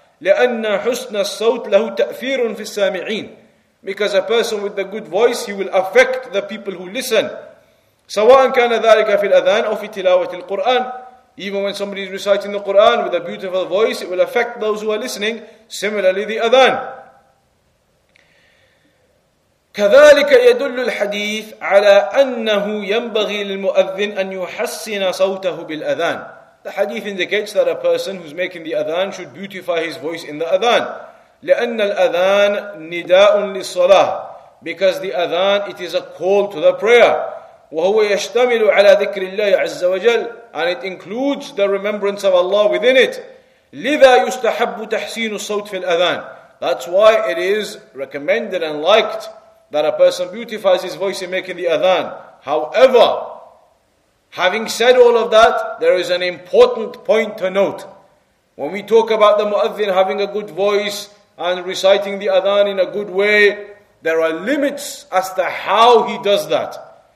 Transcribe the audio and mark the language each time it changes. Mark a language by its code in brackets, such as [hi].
[ar] لَأَنَّ حُسْنَ الصَّوْتِ لَهُ تَأْثِيرٌ فِي السَّامِعِينَ. [en] Because a person with the good voice, he will affect the people who listen. [ar] سَوَاءً كَانَ ذَلِكَ فِي الْأَذَانِ أَوْ فِي تِلَاوَةِ الْقُرْآنِ. [en] Even when somebody is reciting the Quran with a beautiful voice, it will affect those who are listening. Similarly, the adhan. [ar] كذلك يدل الحديث على أنه ينبغي للمؤذن أن يحسن صوته بالأذان. [en] The hadith indicates that a person who's making the adhan should beautify his voice in the adhan. [ar] لأن الأذان نداء للصلاة. [en] Because the adhan, it is a call to the prayer. [ar] وهو يشتمل على ذكر الله عز وجل. [en] And it includes the remembrance of Allah within it. [ar] لذا يستحب تحسين الصوت في الأذان. [en] That's why it is recommended and liked that a person beautifies his voice in making the adhan. However, having said all of that, there is an important point to note. When we talk about the muadhin having a good voice and reciting the adhan in a good way, there are limits as to how he does that.